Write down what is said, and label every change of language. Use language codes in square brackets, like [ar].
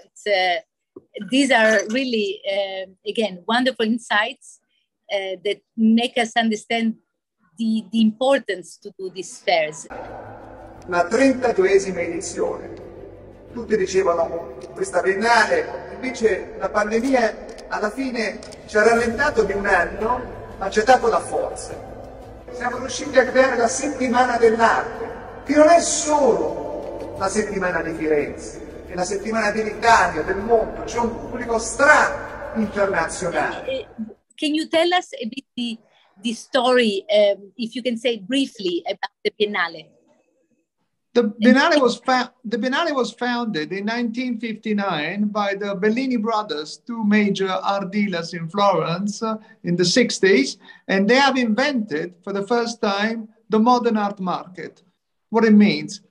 [en] It's, these are really, again, wonderful insights that make us understand the importance to do these fairs. [it] La 32esima edizione. Tutti dicevano questa Biennale, invece la pandemia alla fine ci ha rallentato di un anno, ma ci ha dato la forza. Siamo riusciti a creare la settimana dell'arte, che non è solo la settimana di Firenze, è la settimana dell'Italia, del mondo, c'è un pubblico stra internazionale. [en] Can you tell us a bit the story, if you can say briefly, about the Biennale? The Biennale was founded in 1959 by the Bellini brothers, two major art dealers in Florence in the 60s, and they have invented for the first time the modern art market. what it means.